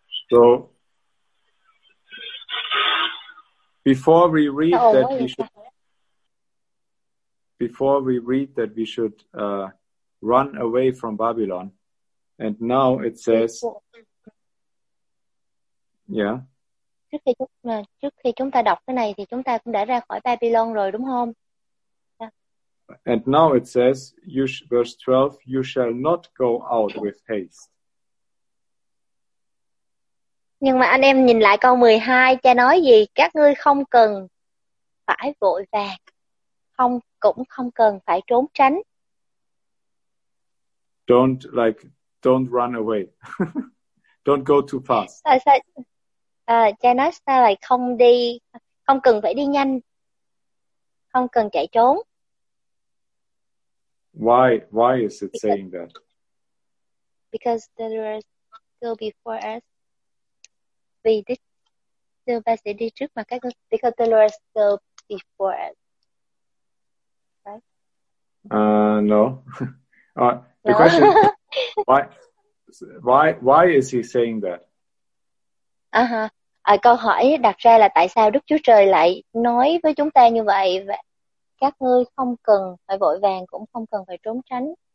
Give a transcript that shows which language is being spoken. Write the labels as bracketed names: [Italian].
[English] So, before we read that we should run away from Babylon, and now it says, yeah. [Vietnamese] Trước khi chúng ta đọc cái này thì chúng ta cũng đã ra khỏi Babylon rồi đúng không? Yeah. [English] And now it says, verse 12, you shall not go out with haste. [Vietnamese] Nhưng mà anh em nhìn lại câu 12, cha nói gì? Các ngươi không cần phải vội vàng, không cũng không cần phải trốn tránh. [English] Don't run away. Don't go too fast. [Vietnamese] Cha nói sao lại không đi, không cần phải đi nhanh, không cần chạy trốn. [English] Why is it saying that? Because there is still before us. [Vietnamese] Vì Đức Giê-hô-va sẽ đi trước mặt các ngươi. [English] Because the Lord is still before us. Right? No. The question is, why is he saying that? [Vietnamese] À, câu hỏi đặt ra là tại sao Đức Chúa Trời lại nói với chúng ta như vậy? Các ngươi không cần phải vội vàng, cũng không cần phải trốn tránh.